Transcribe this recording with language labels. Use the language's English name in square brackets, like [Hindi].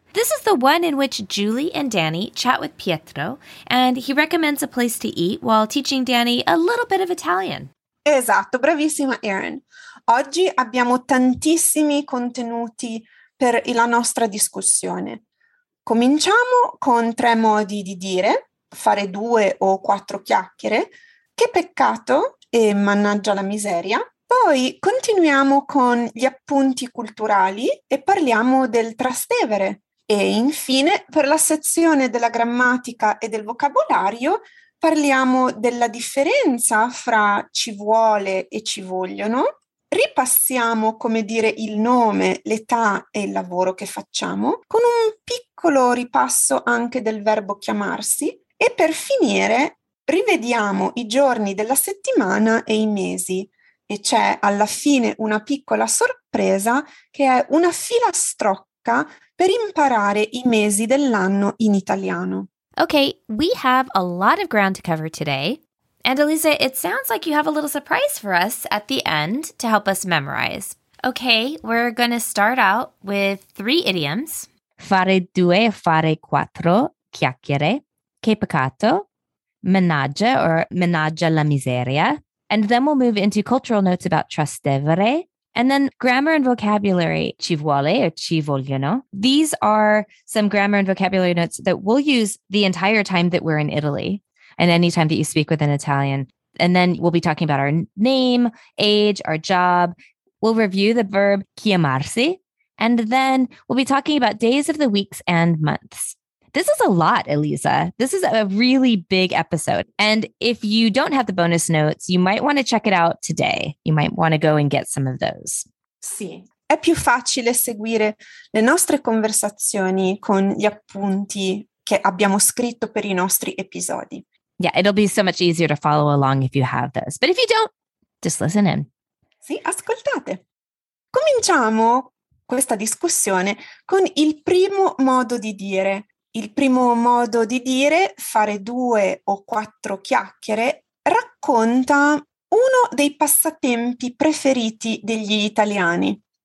[English] This is the one in which Julie and Danny chat with Pietro and he recommends a place to eat while teaching Danny a little bit of Italian. [Italian] Esatto, bravissima Erin. Oggi abbiamo tantissimi contenuti per la nostra discussione. Cominciamo con tre modi di dire, fare due o quattro chiacchiere, che peccato e mannaggia la miseria. Poi continuiamo con gli appunti culturali e parliamo del Trastevere. E infine, per la sezione della grammatica e del vocabolario, parliamo della differenza fra ci vuole e ci vogliono, ripassiamo come dire il nome, l'età e il lavoro che facciamo, con un piccolo ripasso anche del verbo chiamarsi e per finire rivediamo i giorni della settimana e i mesi e c'è alla fine una piccola sorpresa che è una filastrocca per imparare i mesi dell'anno in italiano. [English] Okay, we have a lot of ground to cover today. And Elisa, it sounds like you have a little surprise for us at the end to help us memorize. Okay, we're going to start out with three idioms. [Italian] Fare due, fare quattro, chiacchiere, che peccato, mannaggia or mannaggia la miseria. [English] And then we'll move into cultural notes about Trastevere. And then grammar and vocabulary, ci vuole or ci vogliono. These are some grammar and vocabulary notes that we'll use the entire time that we're in Italy and any time that you speak with an Italian. And then we'll be talking about our name, age, our job. We'll review the verb chiamarsi. And then we'll be talking about days of the weeks and months. This is a lot, Elisa. This is a really big episode. And if you don't have the bonus notes, you might want to check it out today. You might want to go and get some of those. [Italian] Sì, è più facile seguire le nostre conversazioni con gli appunti che abbiamo scritto per i nostri episodi. [English] Yeah, it'll be so much easier to follow along if you have those. But if you don't, just listen in. [Italian] Sì, ascoltate. Cominciamo questa discussione con il primo modo di dire. Il primo modo di dire, fare due o quattro chiacchiere, racconta uno dei passatempi preferiti degli italiani.